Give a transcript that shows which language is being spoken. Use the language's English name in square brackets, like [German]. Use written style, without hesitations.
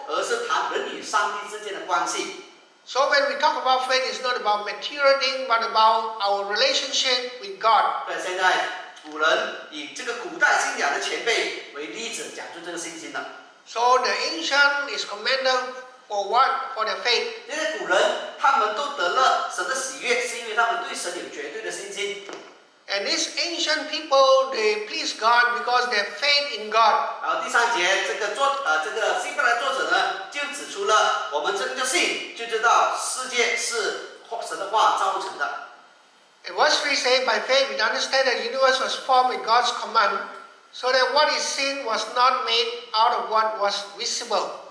[Chinese] 所以谈信心呢，不是只是谈这个事物，而是谈人与上帝之间的关系。 [English] So when we talk about faith, it's not about material thing, but about our relationship with God. [Chinese] 对，现在古人以这个古代信仰的前辈为例子，讲出这个信心的。So [English] the ancient is commended for what? For their faith. [Chinese] 这些古人他们都得了神的喜悦，是因为他们对神有绝对的信心。 [English] And these ancient people, they please God because they have faith in God. [Chinese] 然后第三节，这个作者，这个希伯来作者呢，就指出了我们真的信，就知道世界是神的话造成的。 [English] And what we say by faith, we understand that the universe was formed with God's command, so that what is seen was not made out of what was visible.